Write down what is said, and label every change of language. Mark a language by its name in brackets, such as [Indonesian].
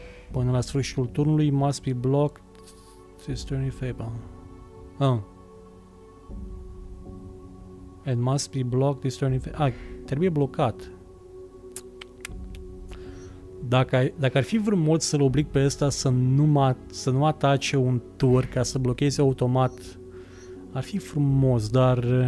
[Romanian] până la sfârșitul turnului, [English] must be blocked, this turn is fatal. And must be blocked, this turn is fatal. [Romanian] Trebuie blocat. Dacă ar fi vreun mod să-l oblig pe ăsta să nu atace un tur ca să blocheze automat, ar fi frumos, dar...